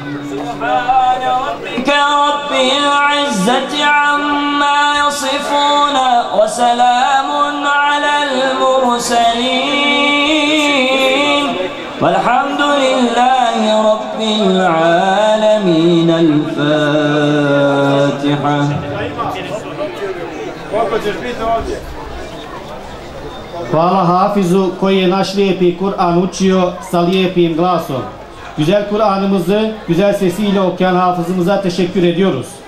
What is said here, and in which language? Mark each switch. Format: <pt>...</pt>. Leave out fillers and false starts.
<ar>سبحان ربك رب العزة عما يصفون وسلام على المرسلين والحمد لله رب العالمين الفاتحة</ar> <bs>Hvala Hafizu koji je naš lijepi Kur'an učio sa lijepim glasom.</bs> <tr>Güzel Kur'an'ımızı, güzel sesiyle okuyan hafızımıza teşekkür ediyoruz.</tr>